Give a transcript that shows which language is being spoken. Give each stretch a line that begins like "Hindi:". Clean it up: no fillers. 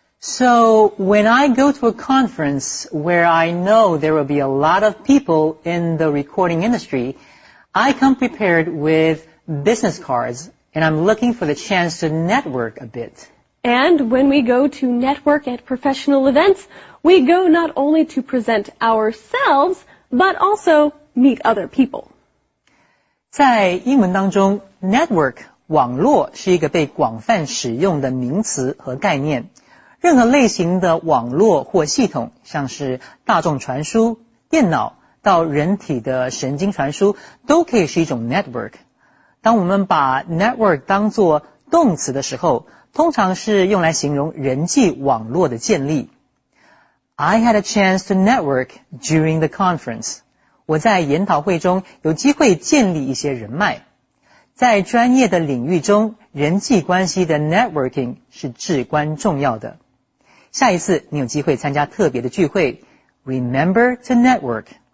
English: So when I go to a conference where I know there will be a lot of people in the recording industry, I come prepared with business cards and I'm looking for the chance to network a bit. And when we go to network at professional events, we go not only to present ourselves, but also meet other people.
Chinese: 在英文当中 ,network, 网络是一个被广泛使用的名词和概念。任何类型的网络或系统，像是大众传输、电脑到人体的神经传输，都可以是一种 network。当我们把 network 当作动词的时候，通常是用来形容人际网络的建立。
English: I had a chance to network during the conference.
Chinese: 我在研讨会中有机会建立一些人脉。在专业的领域中，人际关系的 networking 是至关重要的。下一次你有机会参加特别的聚会，
English: Remember to network.